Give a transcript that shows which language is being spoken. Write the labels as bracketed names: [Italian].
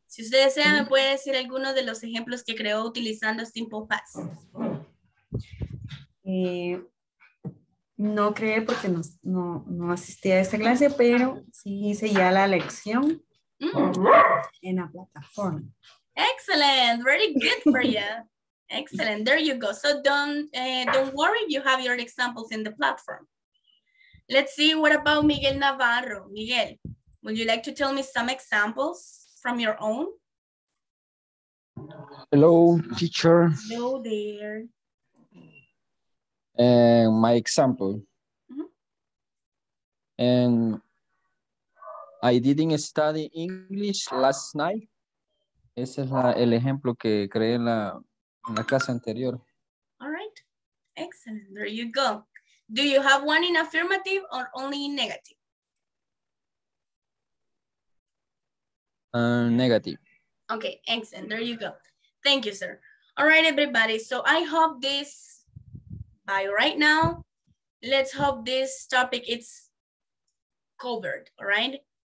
[Spanish] Si usted desea, me puede decir algunos de los ejemplos que creó utilizando simple past. No creé porque no asistí a esta clase, pero sí hice ya la lección en la plataforma. [English] Excellent, very good for you. Excellent, there you go. So don't worry, you have your examples in the platform. Let's see, what about Miguel Navarro? Miguel, would you like to tell me some examples from your own? Hello, teacher. Hello there. My example. And I didn't study English last night. [Spanish] Ese es el ejemplo que creé en la clase anterior. [English] All right. Excellent. There you go. Do you have one in affirmative or only in negative? Negative. Okay. Excellent. There you go. Thank you, sir. All right, everybody. So I hope this, by right now, let's hope this topic is covered. All right.